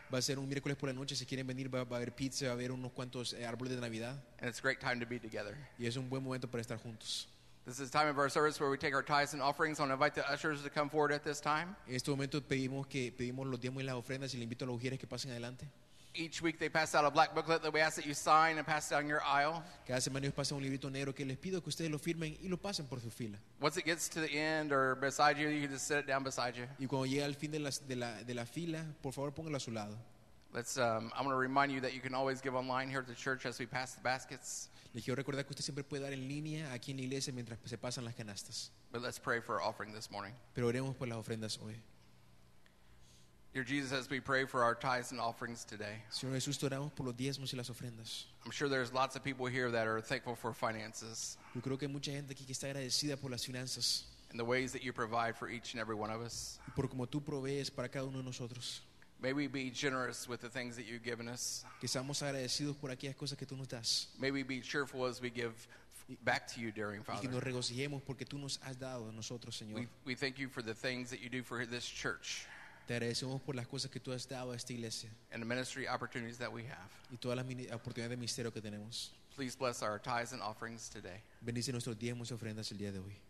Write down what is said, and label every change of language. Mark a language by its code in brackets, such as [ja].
[es] Va a ser un miércoles por la noche. Si quieren venir, va a haber pizza, va a haber unos cuantos árboles de Navidad. [en] And it's a great time to be together. [es] Y es un buen momento para estar juntos. [en] This is time of our service where we take our tithes and offerings. I want to invite the ushers to come forward at this time. [es] En este momento pedimos los diezmos y las ofrendas, y le invito a los ujieres que pasen adelante. [en] Each week they pass out a black booklet that we ask that you sign and pass down your aisle. [es] Cada semana ellos pasan un librito negro que les pido que ustedes lo firmen y lo pasen por su fila. [en] Once it gets to the end or beside you, you can just set it down beside you. [es] Y cuando llegue al fin de la fila, por favor póngalo a su lado. [en] I'm going to remind you that you can always give online here at the church as we pass the baskets. [es] Les quiero recordar que usted siempre puede dar en línea aquí en la iglesia mientras se pasan las canastas. [en] But let's pray for our offering this morning. [es] Pero oremos por las ofrendas hoy. [en] Dear Jesus, as we pray for our tithes and offerings today, [es] Señor Jesús, oramos por los diezmos y las ofrendas. [en] I'm sure there's lots of people here that are thankful for finances. [es] Yo creo que hay mucha gente aquí que está agradecida por las finanzas. [en] And the ways that you provide for each and every one of us. [es] Por como tú provees para cada uno de nosotros. [en] May we be generous with the things that you've given us. [es] Que seamos agradecidos por aquellas cosas que tú nos das. [en] May we be cheerful as we give back to you, dearing Father. [es] Y que nos regocijemos porque tú nos has dado a nosotros, Señor. [en] We thank you for the things that you do for this church. [es] Te agradecemos por las cosas que tú has dado a esta iglesia. [en] And the ministry opportunities that we have. [es] Y todas las oportunidades de ministerio que tenemos. [en] Please bless our tithes and offerings today. [es] Bendice nuestros diezmos y ofrendas el día de hoy.